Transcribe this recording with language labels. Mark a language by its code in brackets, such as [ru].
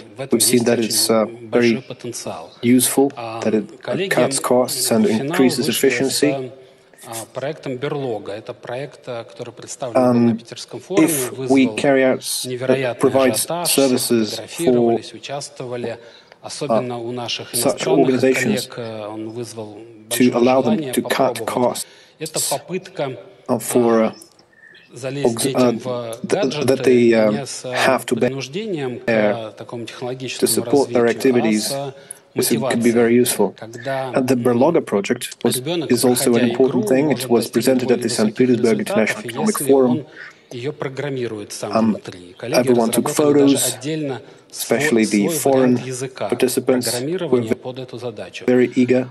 [en] We've seen that it's very useful, that it cuts costs and increases efficiency. [ru] Проектом Берлога. Это проект, который представлен на Питерском форуме, вызвал невероятный ажиотаж, фотографировались, участвовали, особенно у наших иностранных коллег, он вызвал большое желание попробовать. Это попытка залезть детям в гаджеты, не с принуждением к такому технологическому развитию, [en] this could be very useful. And the Berloga project is also an important thing. It was presented at the St. Petersburg International Economic Forum. Everyone took photos, especially the foreign participants were very eager.